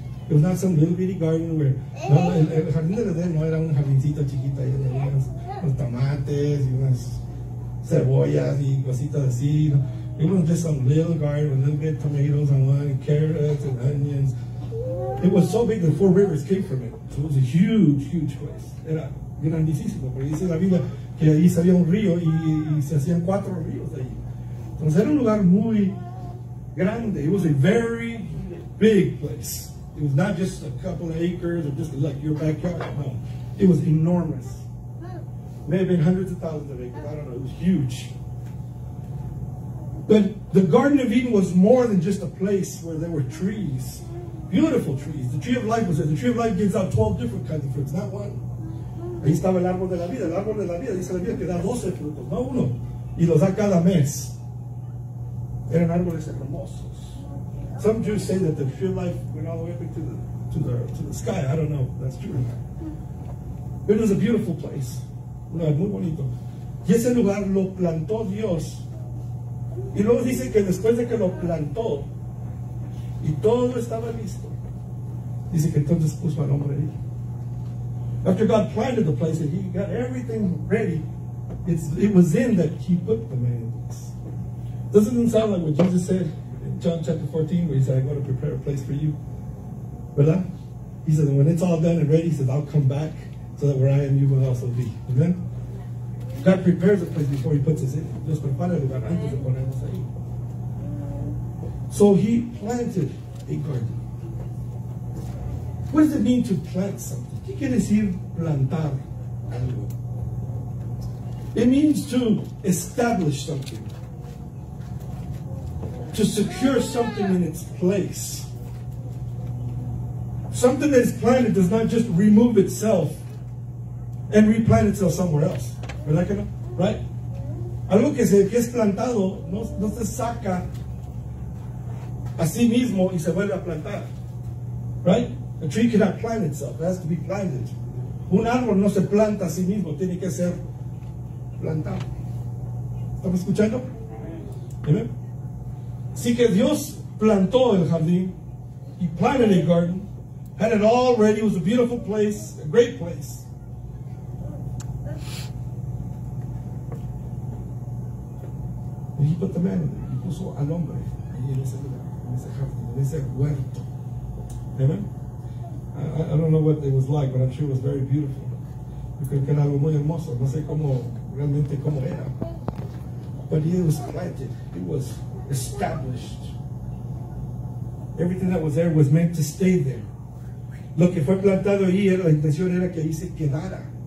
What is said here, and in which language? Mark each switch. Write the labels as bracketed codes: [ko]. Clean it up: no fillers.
[en] It was not some little bitty garden where [es] el jardín de Edén no era un jardincito chiquito ahí donde había unos tomates y unas cebollas y cositas así. [en] It wasn't just some little garden with a little bit of tomatoes and one, carrots and onions. It was so big that four rivers came from it. So it was a huge, huge place. [es] Era grandísimo, porque dice la Biblia que ahí salía un río y se hacían cuatro ríos ahí. Entonces era un lugar muy grande. [en] It was a very big place. It was not just a couple of acres or just like your backyard at home. It was enormous. It may have been hundreds of thousands of acres. I don't know. It was huge. But the Garden of Eden was more than just a place where there were trees. Beautiful trees. The Tree of Life was there. The Tree of Life gives out 12 different kinds of fruits. Not one. [es] Ahí estaba el árbol de la vida. El árbol de la vida dice la vida que da 12 frutos. No uno. Y los da cada mes. Eran árboles hermosos. [en] Some Jews say that the tree of life went all the way up into the sky. I don't know if that's true or not. But it was a beautiful place. [es] Un lugar muy bonito. Y ese lugar lo plantó Dios. Y luego dice que después de que lo plantó y todo estaba listo, dice que entonces puso al hombre ahí. [en] After God planted the place and he got everything ready, it was in that he put the man. Doesn't it sound like what Jesus said in John chapter 14, where he said, I'm going to prepare a place for you. [es] ¿Verdad? [en] He said, when it's all done and ready, he says, I'll come back so that where I am, you will also be. Amen? God prepares a place before he puts us in. [es] Dios prepara el lugar antes de ponernos ahí. [en] So he planted a garden. What does it mean to plant something? [es] ¿Qué quiere decir plantar algo? [en] It means to establish something. To secure something in its place. Something that is planted does not just remove itself and replant itself somewhere else. [es] ¿Verdad que no? [en] Right? [es] Algo que es plantado no se saca a sí mismo y se vuelve a plantar. [en] Right? A tree cannot plant itself. It has to be planted. [es] Un árbol no se planta a sí mismo. Tiene que ser plantado. ¿Estamos escuchando? Amen. Así que Dios plantó el jardín. [en] He planted a garden. Had it all ready. It was a beautiful place, a great place. He put the man in there. [es] He puso al hombre ahí en ese jardín, en ese huerto. Amen. [en] I don't know what it was like, but I'm sure it was very beautiful. [es] Yo creo que era algo muy hermoso. No sé cómo realmente cómo era. [en] But it was planted. It was established. Everything that was there was meant to stay there. [es] Lo que fue plantado ahí, la intención era que ahí se quedara.